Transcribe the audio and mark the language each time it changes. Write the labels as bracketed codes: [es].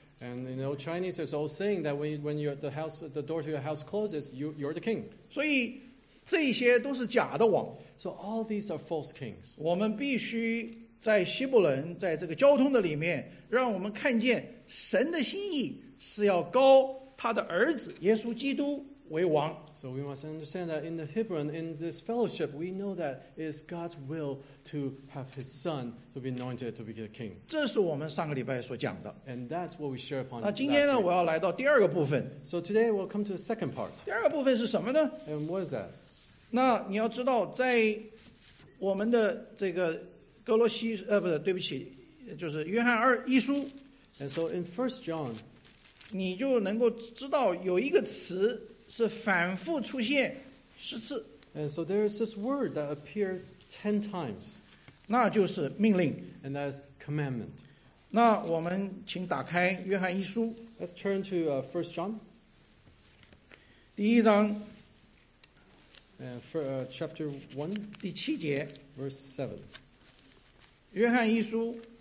[en] And you know, Chinese is all saying that when you're the house, the door to your house closes, you're the king. [zh] 所以这些都是假的王。 [en] So all these are false kings. [zh] 我们必须在希伯伦，在这个交通的里面，让我们看见神的心意是要高他的儿子耶稣基督为王。 [en] So we must understand that in the Hebron, in this fellowship, we know that it is God's will to have his son to be anointed to be the king. [zh] 这是我们上个礼拜所讲的。 [en] And that's what we share upon. [zh] 那今天呢，我要来到第二个部分。 [en] So today we'll come to the second part. [zh] 第二个部分是什么呢？ [en] And what is that? [zh] 那你要知道，在我们的这个哥罗西，不是，对不起，就是约翰二一书。 [en] And so in 1 John, [zh] 你就能够知道有一个词是反复出现十次。 [en] And so there is this word that appears 10 times. [zh] 那就是命令。 [en] And that is commandment. [zh] 那我们请打开约翰一书。 [en] Let's turn to 1 John. [zh] 第一章。 [en] And for, chapter 1, [zh] 第七节, [en] verse 7. [zh] 约翰一书,